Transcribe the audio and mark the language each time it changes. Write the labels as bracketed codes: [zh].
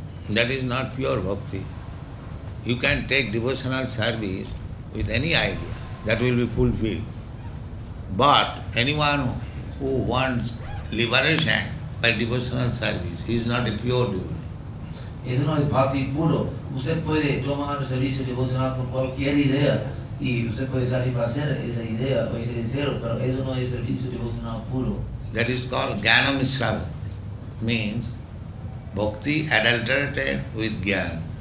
[en] That is not pure bhakti. You can take devotional service with any idea that will be fulfilled. But anyone who wants liberation by devotional service, he is not a pure devotee. [es] Eso no es bhakti puro. Usted puede tomar servicio devocional con cualquier idea y usted puede satisfacer esa idea o ese deseo, pero eso no es servicio devocional puro. [en] That is called Jnana Mishra Bhakti. Means bhakti adulterated with jnana.